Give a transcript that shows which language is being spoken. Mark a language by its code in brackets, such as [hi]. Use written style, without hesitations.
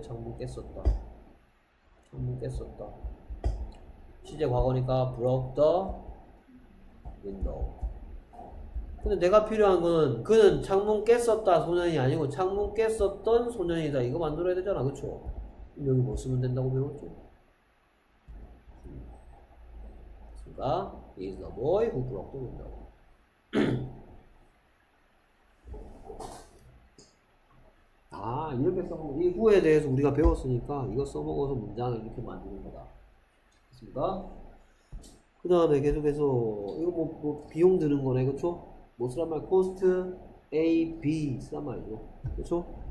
[ko] 창문 깼었다. 창문 깼었다. 시제 과거니까 [en] broke the window. [ko] 근데 내가 필요한 거는 그는 창문 깼었다 소년이 아니고 창문 깼었던 소년이다. 이거 만들어야 되잖아. 그렇죠? 여기 뭐 쓰면 된다고 배웠죠? 맞습니까? [en] He is the boy who broke the window. [ko] 아, 이렇게 써먹어. 이 후에 대해서 우리가 배웠으니까 이거 써먹어서 문장을 이렇게 만드는 거다. 됐습니까? 그 다음에 계속해서 이거 뭐 비용 드는 거네. 그쵸? 뭐 쓰란 말? cost A, B 쓰란 말이죠. 그쵸?